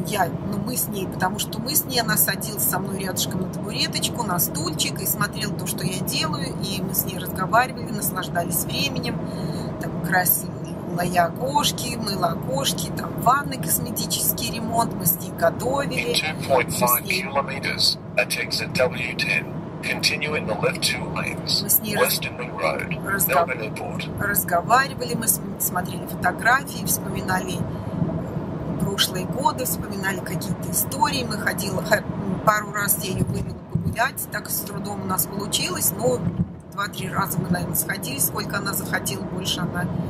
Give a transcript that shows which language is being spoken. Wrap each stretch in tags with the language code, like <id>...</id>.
<ru>Потому что мы с ней, она садилась со мной рядышком на табуреточку, на стульчик и смотрела то, что я делаю, и мы с ней разговаривали, наслаждались временем, там красила я окошки, мыла окошки, там ванны, косметический ремонт, мы с ней готовили.</ru> <en>In 2.5 kilometers, that exit W10, continue in the left 2 lanes, Westernwing Road, Melbourne Airport.</en> <ru>Разговаривали, мы смотрели фотографии, вспоминали прошлые годы, вспоминали какие-то истории, мы ходили, пару раз я ее вывела погулять, так с трудом у нас получилось, но 2-3 раза мы, наверное, сходили, сколько она захотела, больше она...</ru>